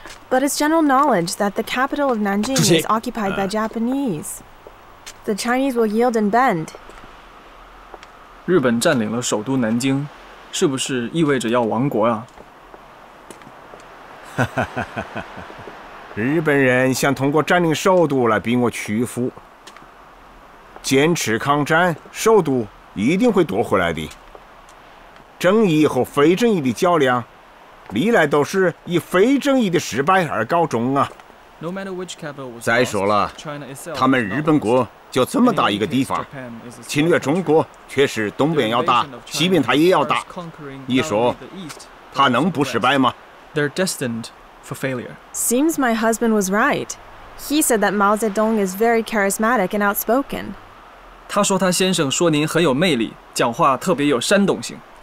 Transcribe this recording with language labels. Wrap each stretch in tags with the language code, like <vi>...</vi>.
<en>But it's general knowledge that the capital of Nanjing is occupied by Japanese. The Chinese will yield and bend.</en> <zh>日本占领了首都南京，是不是意味着要亡国啊？日本人想通过占领首都来逼我屈服，坚持抗战，首都一定会夺回来的。正义和非正义的较量，历来都是以非正义的失败而告终啊。再说了，他们日本国就这么大一个地方，侵略中国却是东边要打，西边他也要打，你说他能不失败吗？</zh> <en>They're destined for failure. Seems my husband was right. He said that Mao Zedong is very charismatic and outspoken.</en> <zh>他说他先生说您很有魅力，讲话特别有煽动性。</zh>